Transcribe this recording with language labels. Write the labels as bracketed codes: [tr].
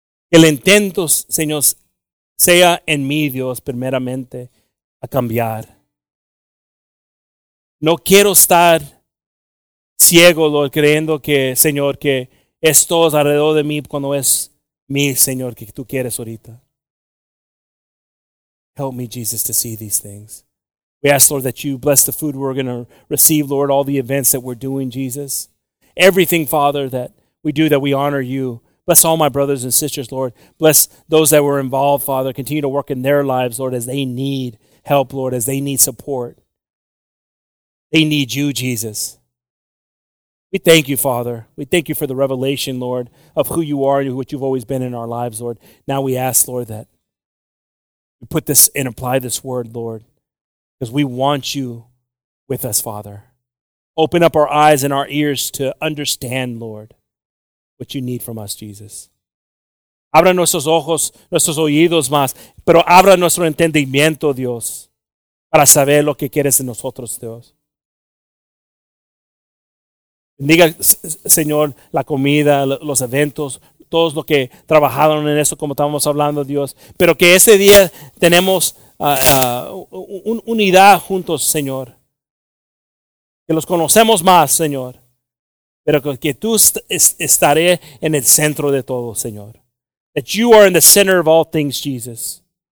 [es] El intento, Señor, sea en mí, Dios, primeramente, a cambiar. No quiero estar ciego, Lord, creyendo que, Señor, que es todo alrededor de mí cuando es mí, Señor, que tú quieres ahorita. [en] Help me, Jesus, to see these things. We ask, Lord, that you bless the food we're going to receive, Lord, all the events that we're doing, Jesus. Everything, Father, that we do, that we honor you. Bless all my brothers and sisters, Lord. Bless those that were involved, Father. Continue to work in their lives, Lord, as they need help, Lord, as they need support. They need you, Jesus. We thank you, Father. We thank you for the revelation, Lord, of who you are and what you've always been in our lives, Lord. Now we ask, Lord, that you put this and apply this word, Lord, because we want you with us, Father. Open up our eyes and our ears to understand, Lord, what you need from us, Jesus. [es] Abra nuestros ojos, nuestros oídos más, pero abra nuestro entendimiento, Dios, para saber lo que quieres de nosotros, Dios. Bendiga, Señor, la comida, los eventos, todos los que trabajaron en eso, como estábamos hablando, Dios. Pero que ese día tenemos unidad juntos, Señor. Que los conocemos más, Señor. Pero que tú estaré en el centro de todo, Señor. [en] That you are in the center of all things, Jesus.